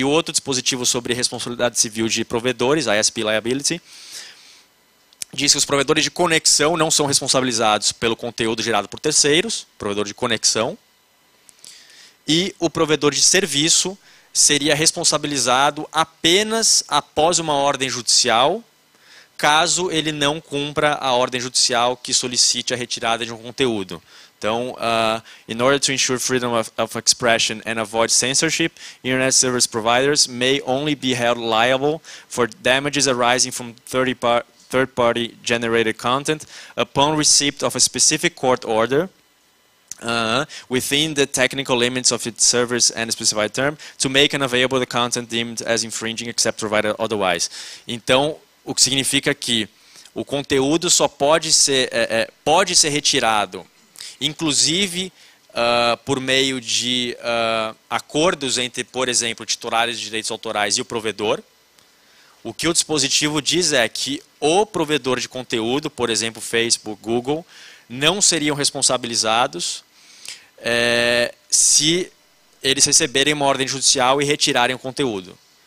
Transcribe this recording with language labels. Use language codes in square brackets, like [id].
[pt] E outro dispositivo sobre responsabilidade civil de provedores, ISP Liability, diz que os provedores de conexão não são responsabilizados pelo conteúdo gerado por terceiros, provedor de conexão, e o provedor de serviço seria responsabilizado apenas após uma ordem judicial, caso ele não cumpra a ordem judicial que solicite a retirada de um conteúdo. Então, [en] in order to ensure freedom of expression and avoid censorship, internet service providers may only be held liable for damages arising from third-party generated content upon receipt of a specific court order within the technical limits of its service and specified term to make unavailable the content deemed as infringing except provided otherwise. [pt] Então, o que significa que o conteúdo só pode ser retirado, inclusive por meio de acordos entre, por exemplo, titulares de direitos autorais e o provedor. O que o dispositivo diz é que o provedor de conteúdo, por exemplo, Facebook, Google, não seriam responsabilizados se eles receberem uma ordem judicial e retirarem o conteúdo.